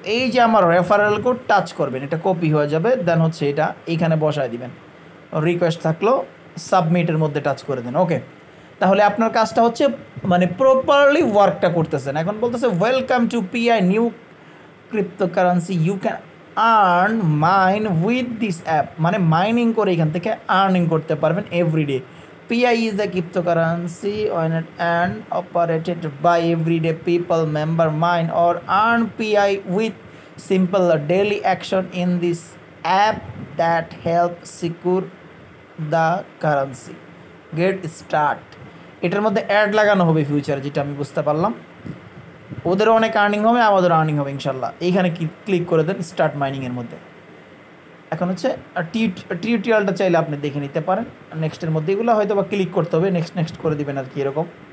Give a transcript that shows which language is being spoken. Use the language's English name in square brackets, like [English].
[Bangla] এই যে আমার রেফারেল কোড টাচ করবেন, এটা কপি হয়ে যাবে, দেন হচ্ছে এটা এখানে বসায় দিবেন, রিকোয়েস্ট থাকলো সাবমিটের মধ্যে টাচ করে দেন। ওকে, তাহলে আপনার কাজটা হচ্ছে মানে প্রপারলি ওয়ার্কটা করতেছেন। এখন বলতেছে [English] welcome to Pi new cryptocurrency, you can earn mine with this app, [Bangla] মানে মাইনিং করে এখান থেকে আর্নিং করতে পারবেন everyday. [English] PI is a cryptocurrency owned and operated by everyday people, member mine or earn PI with simple daily action in this app that helps secure the currency. Get start. [Bangla] এটার মধ্যে add লাগানো হবে future, যেটা আমি বুঝতে পারলাম। ওদেরও অনেক আর্নিং হবে, আমাদেরও আর্নিং হবে ইনশাল্লাহ। এইখানে ক্লিক করে দেন স্টার্ট মাইনিংয়ের মধ্যে। এখন হচ্ছে টিউটোরিয়ালটা চাইলে আপনি দেখে নিতে পারেন, নেক্সটের মধ্যে এগুলো হয়তো বা ক্লিক করতে হবে, নেক্সট নেক্সট করে দেবেন আর কি এরকম।